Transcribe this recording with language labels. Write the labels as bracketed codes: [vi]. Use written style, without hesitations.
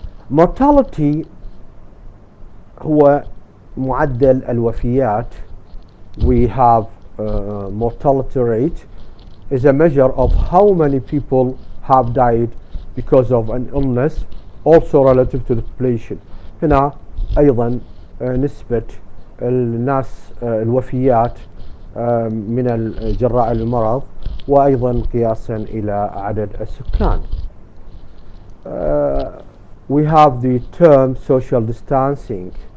[ar] Mortality هو معدل الوفيات. [en] We have mortality rate is a measure of how many people have died because of an illness, also relative to the population. [ar] هنا أيضا نسبة الناس الوفيات من جراء المرض، وأيضا قياسا إلى عدد السكان. [en] We have the term social distancing.